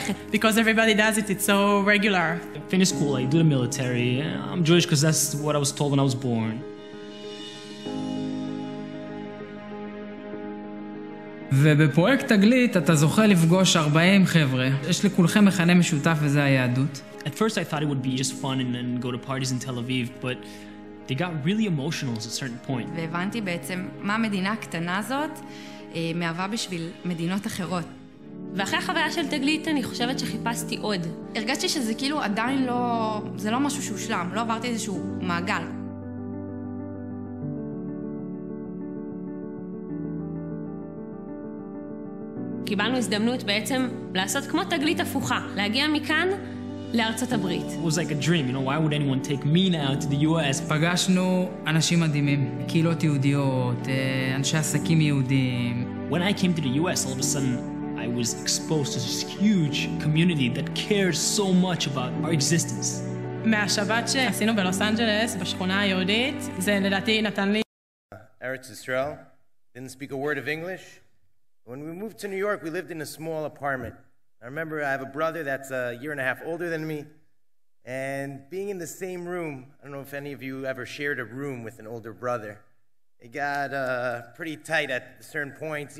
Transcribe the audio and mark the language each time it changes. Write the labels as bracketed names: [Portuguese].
[English] Because everybody does it, it's so regular. I finish school, I do the military. I'm Jewish because that's what I was told when I was born. [Hebrew] ובפרויקט תגלית אתה זוכה לפגוש 40 חבר'ה. יש לכולכם מכנה משותף וזה היהדות. [English] At first I thought it would be just fun and then go to parties in Tel Aviv, but they got really emotional at a certain point. [Hebrew] והבנתי בעצם מה המדינה הקטנה הזאת מהווה בשביל מדינות אחרות. ואחרי החוויה של תגלית אני חושבת שחיפשתי עוד. הרגשתי שזה כאילו עדיין לא, זה לא משהו שהושלם, לא עברתי איזשהו מעגל. קיבלנו הזדמנות בעצם לעשות כמו תגלית הפוכה, להגיע מכאן לארצות הברית. [English] It was like a dream, you know, why would anyone take me now to the US? [Hebrew] פגשנו אנשים מדהימים, קהילות יהודיות, אנשי עסקים יהודים. [English] When I came to the US, all of a sudden, I was exposed to this huge community that cares so much about our existence. [Hebrew] מהשבת שעשינו בלוס אנג'לס, בשכונה היהודית, זה לדעתי נתן לי. [English] Eretz Yisrael, didn't speak a word of English. When we moved to New York, we lived in a small apartment. I remember I have a brother that's a year and a half older than me, and being in the same room, I don't know if any of you ever shared a room with an older brother, it got pretty tight at certain points.